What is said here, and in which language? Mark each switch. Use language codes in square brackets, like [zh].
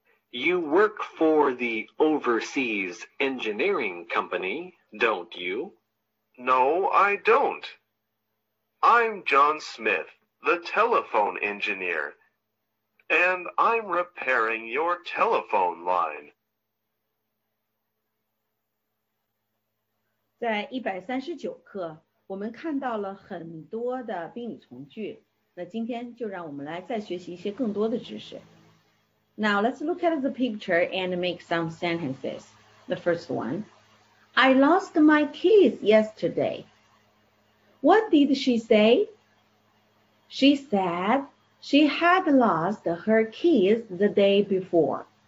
[en] You work for the overseas engineering company, don't you? No, I don't. I'm John Smith, the telephone engineer, and I'm repairing your telephone line. [zh] 在139课，我们看到了很多的宾语从句，那今天就让我们来再学习一些更多的知识。 [en] Now let's look at the picture and make some sentences. The first one. I lost my keys yesterday. What did she say? She said she had lost her keys the day before.